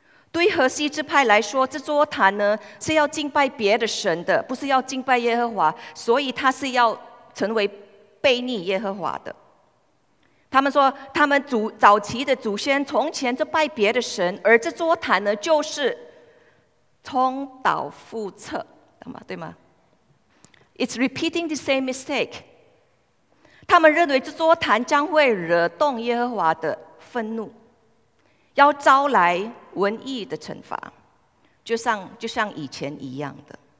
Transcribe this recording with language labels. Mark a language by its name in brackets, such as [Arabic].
[Chinese] 对荷西支派来说，这座坛呢是要敬拜别的神的，不是要敬拜耶和华，所以他是要成为悖逆耶和华的。他们说他们早期的祖先从前就拜别的神，而这座坛呢就是重蹈覆辙，对吗？ [English] It's repeating the same mistake. [Chinese] 他们认为这座坛将会惹动耶和华的愤怒，要招来瘟疫的惩罚，就像以前一样的。